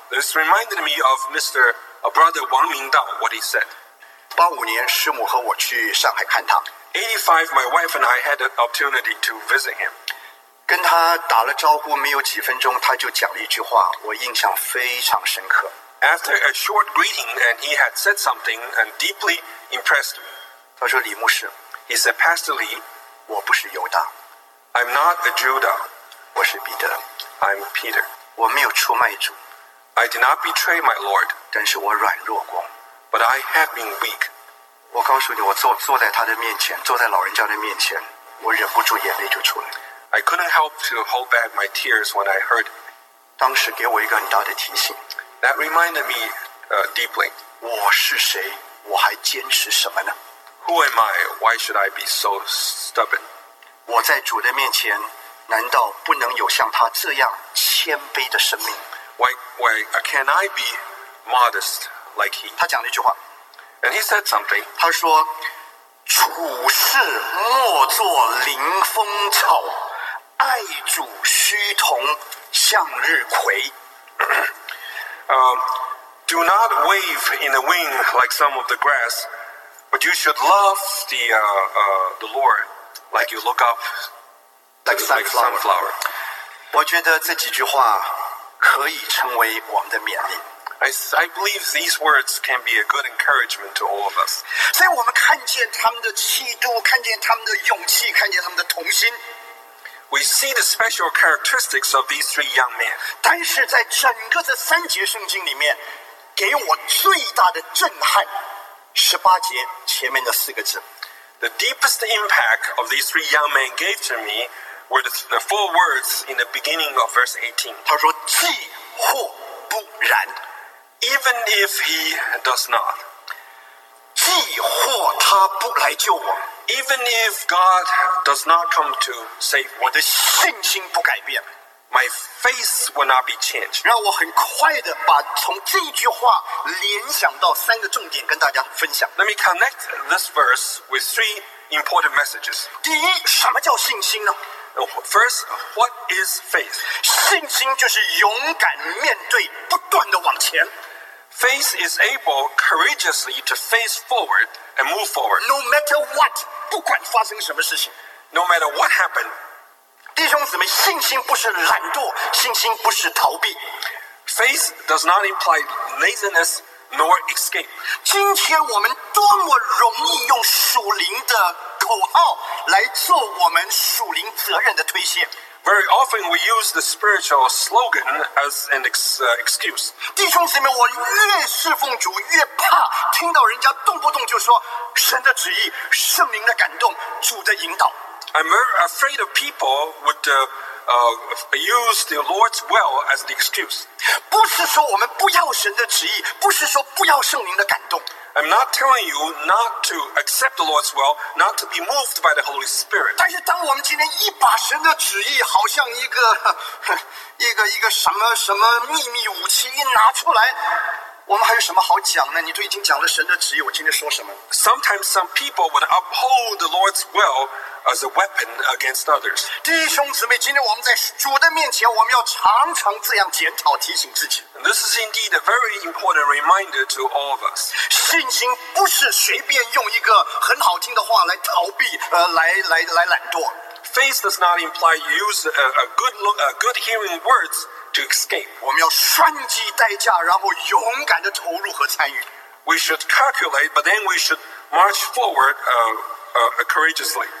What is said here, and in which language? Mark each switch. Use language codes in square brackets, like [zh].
[en] This reminded me of Mr. Brother 王明道 what he said. [zh] 85年，师母和我去上海看他。 [en] 85, my wife and I had an opportunity to visit him. [zh] 跟他打了招呼，没有几分钟，他就讲了一句话，我印象非常深刻。 [en] After a short greeting, and he had said something and deeply impressed me. [zh] 他说李牧师。 [en] He said, Pastor Lee, [zh] 我不是犹大。 [en] I'm not a Judah. [zh] 我是彼得。 [en] I'm Peter. [zh] 我没有出卖主。 [en] I did not betray my Lord. [zh] 但是我软弱过。 [en] But I have been weak. [zh] 我告诉你，我坐在他的面前，坐在老人家的面前，我忍不住眼泪就出来。 [en] I couldn't help to hold back my tears when I heard. [zh] 当时给我一个很大的提醒。 [en] That reminded me deeply. [zh] 我是谁？我还坚持什么呢？ [en] Who am I? Why should I be so stubborn? [zh] 我在主的面前，难道不能有像他这样谦卑的生命 [en] ？Why can I be modest like he? [zh] 他讲了一句话 [en] ，and he said something. [zh] 他说：“处事莫作临风草，爱主须同向日葵。 [en] Do not wave in the wind like some of the grass, but you should love the Lord.” Like you look up, like sunflower. [zh] 我觉得这几句话可以成为我们的勉励。 [en] I believe these words can be a good encouragement to all of us. [zh] 所以我们看见他们的气度，看见他们的勇气，看见他们的同心。 [en] We see the special characteristics of these three young men. [zh] 但是在整个这三节圣经里面，给我最大的震撼，18节前面的四个字。 [en] The deepest impact of these three young men gave to me were the four words in the beginning of verse 18. [zh] 他说，既或不然。 [en] Even if he does not. [zh] 既或他不来救我。 [en] Even if God does not come to save me. [zh] 我的信心不改变。 [en] My faith will not be changed. [zh] 让我很快的把从这句话联想到三个重点跟大家分享。 [en] Let me connect this verse with three important messages. [zh] 第一，什么叫信心呢？ [en] First, what is faith? [zh] 信心就是勇敢面对，不断的往前。 [en] Faith is able courageously to face forward and move forward. No matter what, [zh] 不管发生什么事情。 [en] No matter what happened. [zh] 弟兄姊妹，信心不是懒惰，信心不是逃避。 [en] Faith does not imply laziness nor escape. [zh] 今天我们多么容易用属灵的口号来做我们属灵责任的推卸。 [en] Very often we use the spiritual slogan as an excuse. [zh] 弟兄姊妹，我越侍奉主，越怕听到人家动不动就说神的旨意、圣灵的感动、主的引导。 [en] I'm very afraid of people would use the Lord's will as the excuse. [zh] 不是说我们不要神的旨意，不是说不要圣灵的感动。 [en] I'm not telling you not to accept the Lord's will, not to be moved by the Holy Spirit. [zh] 但是当我们今天一把神的旨意，好像一个什么什么秘密武器一拿出来。我们还有什么好讲呢？你都已经讲了神的旨意，我今天说什么 [en] ？Sometimes some people would uphold the Lord's will as a weapon against others. [zh] 弟兄姊妹，今天我们在主的面前，我们要常常这样检讨提醒自己。 [en] This is indeed a very important reminder to all of us. [zh] 信心不是随便用一个很好听的话来逃避，来懒惰。 [en] Faith does not imply you use a good hearing words. To escape. [zh] 我们要算计代价，然后勇敢地投入和参与。 [en] We should calculate, but then we should march forward courageously.